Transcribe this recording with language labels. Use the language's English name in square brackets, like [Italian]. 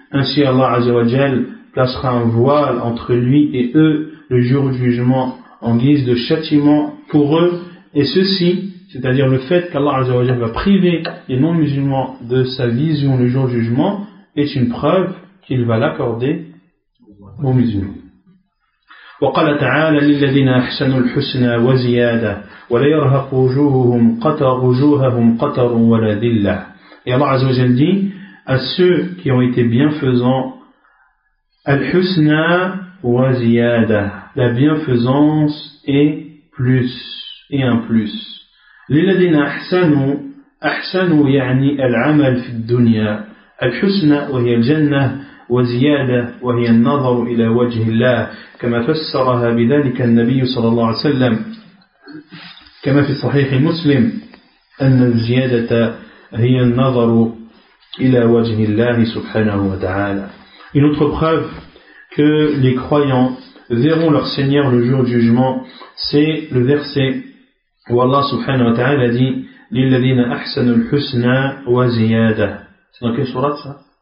[French] Ainsi Allah Azza wa Jal placera un voile entre lui et eux le jour du jugement en guise de châtiment pour eux. Et ceci, c'est-à-dire le fait qu'Allah Azza wa Jal va priver les non-musulmans de sa vision le jour du jugement, est une preuve qu'il va l'accorder aux musulmans. [Arabic] وقال تعالى للذين أحسنوا الحسنى وزيادة ولا يرهق وجوههم قتر وجوههم قتر ولا ذلة. [French] Et Allah عز وجل dit à ceux qui ont été bienfaisants, الحسنى وزيادة, la bienfaisance est plus et un plus. [Arabic] للذين أحسنوا, أحسنوا يعني العمل في الدنيا. الحسنى وهي الجنة وزيادة وهي النظر إلى وجه الله كما فسرها بذلك النبي صلى الله عليه وسلم كما في صحيح مسلم أن الزيادة هي النظر إلى وجه الله سبحانه وتعالى. [French] Une autre preuve que les croyants verront leur Seigneur le jour du jugement, c'est le verset où Allah سبحانه وتعالى dit للذين أحسنوا الحسنى وزيادة. C'est dans quelle sourate ça?